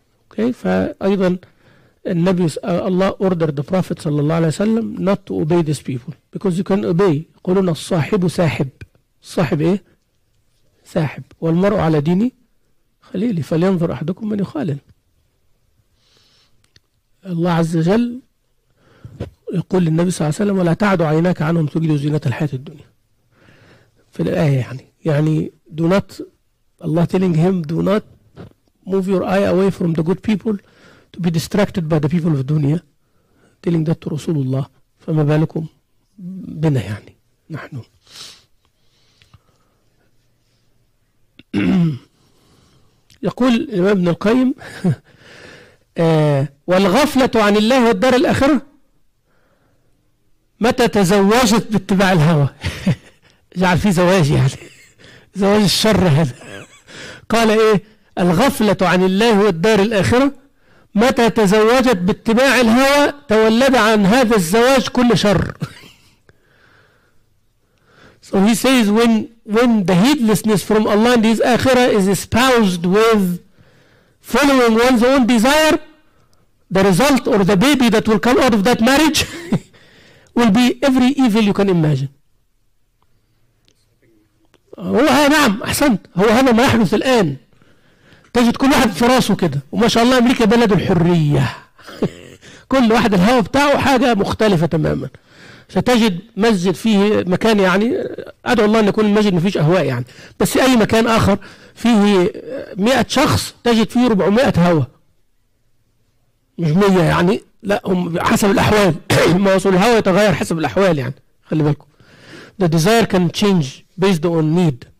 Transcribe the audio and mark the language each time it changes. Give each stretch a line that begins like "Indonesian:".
English: Okay.
Arabic: فأيضا النبي الله
English: ordered the Prophet
Arabic: صلى الله عليه وسلم
English: not to obey these people because you can obey.
Arabic: قلنا الصاحب ساحب، صاحب إيه؟ ساحب. والمرء على ديني خليلي فلينظر أحدكم من يخالل. الله عز وجل يقول للنبي صلى الله عليه وسلم ولا تعد عيناك عنهم تجد زينة الحياة الدنيا في الآية.
English: يعني do not Allah telling him do not move your eye away from the good people to be distracted by the people of dunya. Telling that to
Arabic: رسول الله، فما بالكم بنا يعني نحن. يقول الإمام ابن القيم والغفلة عن الله والدار الآخرة متى تزوجت باتباع الهوى. جعل في زواج يعني زواج الشر هذا. قال ايه؟ الغفلة عن الله والدار الآخرة متى تزوجت باتباع الهوى تولد عن هذا الزواج كل شر.
English: So he says when the heedlessness from Allah and His Akhirah is espoused with following one's own desire, the result or the baby that will come out of that marriage will be every evil you can imagine.
Arabic: هو هذا. نعم أحسنت. هو هذا ما يحدث الآن. تجد كل واحد في راسه كده وما شاء الله أمريكا بلد الحرية. كل واحد الهوى بتاعه حاجة مختلفة تماما. ستجد مسجد فيه مكان يعني أدعو الله أن يكون المسجد مفيش أهواء يعني، بس أي مكان آخر فيه 100 شخص تجد فيه 400 هوى، مش 100 يعني، لا هم حسب الأحوال. ما وصل الهوى يتغير حسب الأحوال يعني، خلي بالكم.
English: The desire can change based on need.